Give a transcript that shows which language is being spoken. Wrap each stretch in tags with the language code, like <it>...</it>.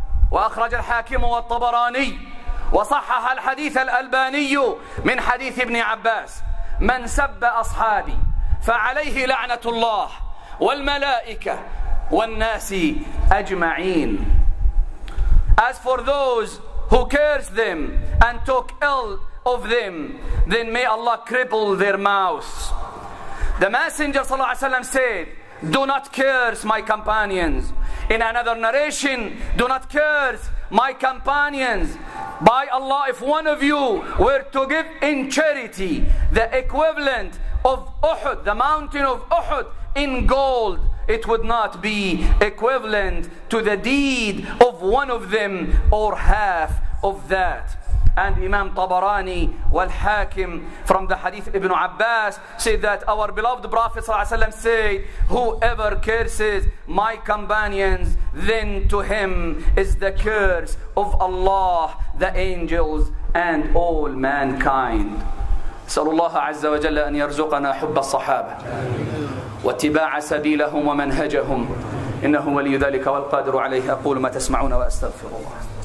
<ar>وأخرج الحاكم والطبراني وصحح الحديث الألباني من حديث ابن عباس: من سب أصحابي فعليه لعنة الله والملائكة والناس أجمعين.</ar> <en>As for those who curse them and talk ill of them, then may Allah cripple their mouths. The Messenger صلى الله عليه وسلم said, do not curse my companions. In another narration, do not curse my companions. By Allah, if one of you were to give in charity the equivalent of Uhud, the mountain of Uhud, in gold, it would not be equivalent to the deed of one of them or half of that. And Imam Tabarani wal Hakim from the Hadith Ibn Abbas said that our beloved Prophet said, whoever curses my companions, then to him is the curse of Allah, the angels, and all mankind.</en> <ar>سأل الله عز وجل أن يرزقنا حب الصحابة واتباع سبيلهم ومنهجهم إنه ولي ذلك والقادر عليه. أقول ما تسمعون وأستغفر الله.</ar>